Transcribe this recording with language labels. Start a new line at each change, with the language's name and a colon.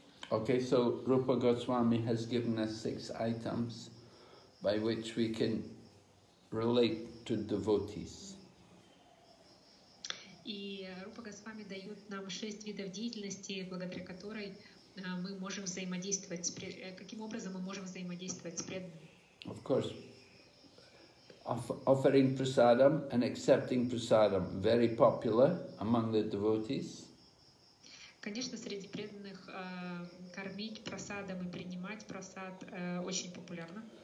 English: Okay, so Rupa Goswami has given us 6 items by which we can relate to devotees.
Russian: И Рупа Госвами дает нам 6 видов деятельности, благодаря которой мы можем взаимодействовать с каким образом мы можем взаимодействовать с преданными.
English: Of course, offering prasadam and accepting prasadam very popular among the devotees.
Russian: Конечно, среди преданных кормить прасадом и принимать прасад очень популярно.